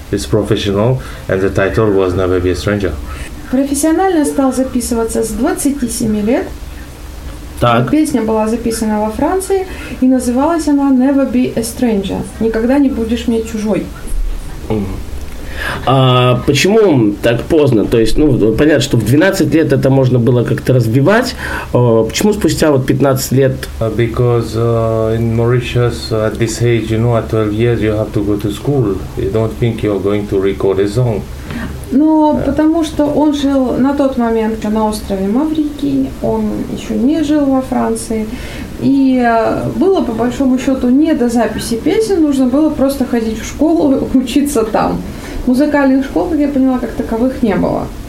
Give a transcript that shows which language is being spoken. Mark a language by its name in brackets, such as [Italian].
[English] It's professional, and the title was Never Be a Stranger. [Russian] Профессионально стал записываться с 27 лет. Так. Песня была записана во Франции, и называлась она Never Be a Stranger. Никогда не будешь мне чужой. А почему так поздно? То есть, ну, понятно, что в 12 лет это можно было как-то развивать. Почему спустя вот 15 лет? [English] Because in Mauritius at this age, you know, at 12 years you have to go to school. You don't think you're going to record a song. [Russian] Ну, потому что он жил на тот момент на острове Маврики, он еще не жил во Франции. И было, по большому счету, не до записи песен, нужно было просто ходить в школу, учиться там. Музыкальных школ, как я поняла, как таковых не было.